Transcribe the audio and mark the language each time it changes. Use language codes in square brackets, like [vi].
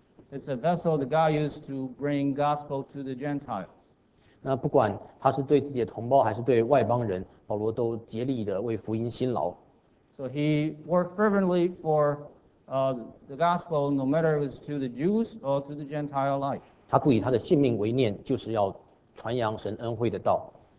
[en] It's a vessel that God used to bring gospel to the Gentiles. [zh] 那不管他是对自己的同胞还是对外邦人，保罗都竭力的为福音辛劳。 [en] So he worked fervently for the gospel, no matter it was to the Jews or to the Gentile life. [zh] 他不以他的性命为念，就是要传扬神恩惠的道。